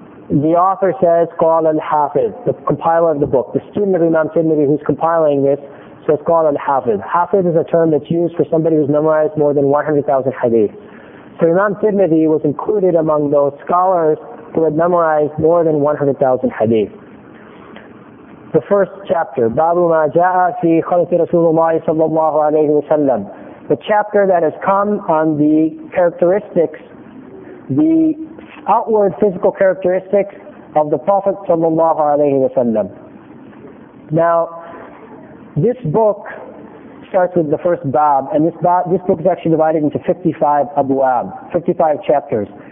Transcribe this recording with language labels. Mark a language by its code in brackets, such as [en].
[en] The author says, [ar] قال الحافظ, [en] the compiler of the book, the student of Imam Tirmidhi who's compiling this, says, قال الحافظ. Hafiz is a term that's used for somebody who's memorized more than 100,000 hadith. So Imam Tirmidhi was included among those scholars who had memorized more than 100,000 hadith. The first chapter, [ar] بَابُ مَا جَاءَ فِي خَلْقِ رَسُولُ اللَّهِ صَلَّى اللَّهُ عَلَيْهِ وَسَلَّمُ. [en] The chapter that has come on the characteristics, the outward physical characteristics of the Prophet sallallahu alayhi wa sallam. Now, this book starts with the first bab, and this book is actually divided into 55 abwab, 55 chapters.